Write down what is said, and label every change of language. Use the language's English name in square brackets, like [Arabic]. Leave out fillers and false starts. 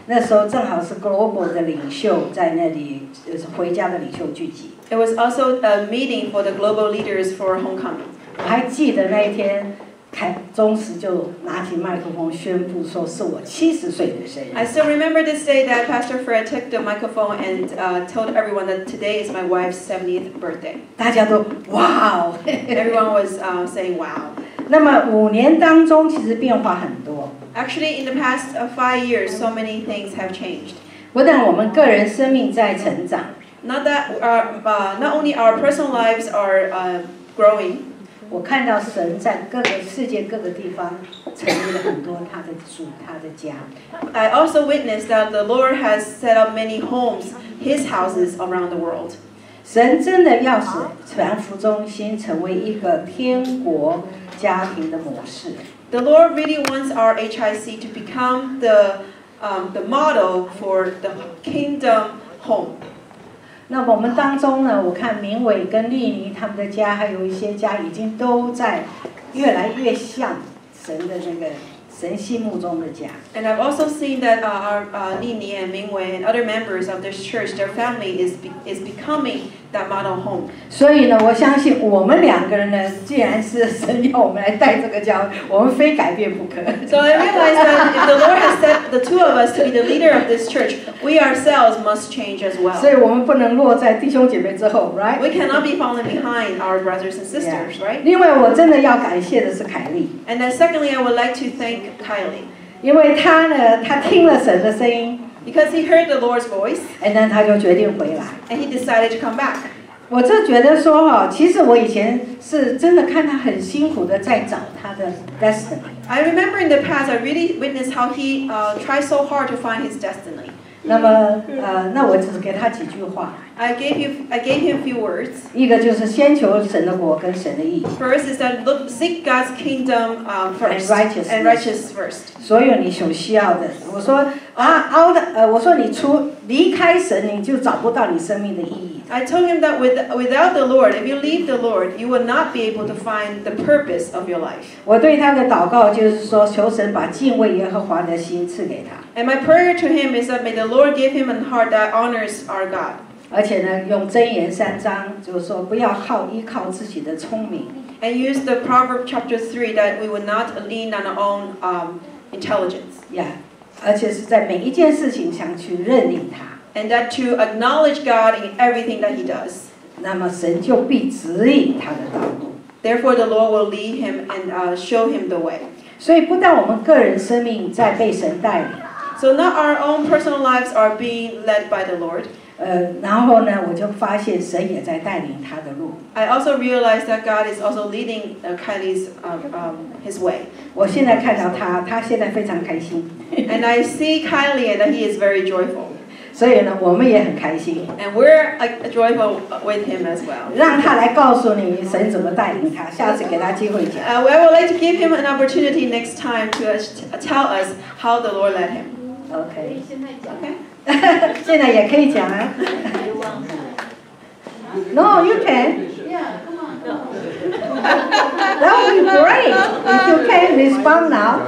[Chinese] 那时候正好是 global 的领袖在那里，就是回家的领袖聚集。 [English] It was also a meeting for the global leaders for homecoming. [Chinese] 我还记得那一天，宗慈就拿起麦克风宣布说是我70岁的生日。 [English] I still remember this day that Pastor Fred took the microphone and told everyone that today is my wife's 70th birthday. [Chinese] 大家都哇、wow! [English] Everyone was saying wow. [Chinese] 那么五年当中其实变化很多。 [English] Actually, in the past 5 years, so many things have changed. [Chinese] 不但我们个人生命在成长。 [English] Not that not only our personal lives are growing. [Chinese] 我看到神在各个世界各个地方成立了很多他的主他的家。 [English] I also witnessed that the Lord has set up many homes, His houses around the world. [Chinese] 神真的要使传福中心成为一个天国家庭的模式。 [English] The Lord really wants our HIC to become the model for the kingdom home. [Chinese] 那我们当中呢我看明伟跟丽妮他们的家还有一些家已经都在越来越像神的那个神心目中的家 [English] And I've also seen that our 丽妮 and 明伟 and other members of this church their family is becoming that model home [Chinese] 所以呢我相信我们两个人呢既然是神要我们来带这个家我们非改变不可 [English] So I realize that if the Lord has set the two of us to be the leader of this church we ourselves must change as well [Chinese] 所以我们不能落在弟兄姐妹之后 [English] right? We cannot be falling behind our brothers and sisters、yeah. right? [Chinese] 另外我真的要感谢的是凯莉 [English] And then secondly I would like to thankKylie. [Chinese] 因为他呢，他听了神的声音 [English] ，because he heard the Lord's voice, and then [Chinese] 他就决定回来 [English] ，and he decided to come back. [Chinese] 我就觉得说哈，其实我以前是真的看他很辛苦的在找他的 destiny. [English] I remember in the past, I really witnessed how he tried so hard to find his destiny. [Chinese] 那么那我只是给他几句话。 [English] I gave him a few words. [Chinese] 一个就是先求神的国跟神的义。 [English] First is that look seek God's kingdom first and righteousness. And righteousness first. [Chinese] 所有你所需要的，我说我说你出离开神，你就找不到你生命的意义。 [English] I told him that without the Lord, if you leave the Lord, you will not be able to find the purpose of your life. [Chinese] 我对他的祷告就是说，求神把敬畏耶和华的心赐给他。 [English] And my prayer to him is that may the Lord give him a heart that honors our God. [Chinese] 而且呢，用箴言3章，就是说不要靠依靠自己的聪明。 [English] and use the Proverbs chapter 3 that we would not lean on our own intelligence. Yeah. And that to acknowledge God in everything that he does. Therefore, the Lord will lead him and show him the way. So not our own personal lives are being led by the Lord. [Chinese] 然后呢，我就发现神也在带领他的路。 [English] I also realized that God is also leading Kylie's his way. [Chinese] 我现在看到他，他现在非常开心。 [English] And I see Kylie that he is very joyful. [Chinese] 所以呢，我们也很开心。 [English] And we're joyful with him as well. [Chinese] 让他来告诉你神怎么带领他，下次给他机会讲。 [English] I would like to give him an opportunity next time to tell us how the Lord led him. Okay. Okay. [Chinese] 现在也可以讲啊。 [English] No, you can. Yeah, come on. That would be great if you can respond now.